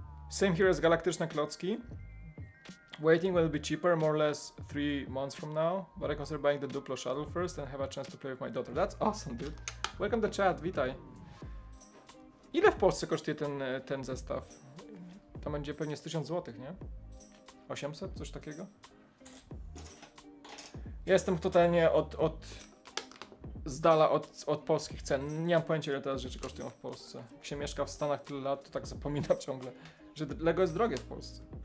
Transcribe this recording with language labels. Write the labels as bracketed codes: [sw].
[en] Same here as Galaktyczne Klocki. Waiting will be cheaper, more or less 3 months from now. But I consider buying the Duplo shuttle first and have a chance to play with my daughter. That's awesome, dude. Welcome to chat, [pl] witaj. Ile w Polsce kosztuje ten zestaw? To będzie pewnie z 1000 zł, nie? 800, coś takiego? Jestem totalnie od z dala od polskich cen. Nie mam pojęcia, ile teraz rzeczy kosztują w Polsce. Jak się mieszka w Stanach tyle lat, to tak zapominam ciągle, że Lego jest drogie w Polsce.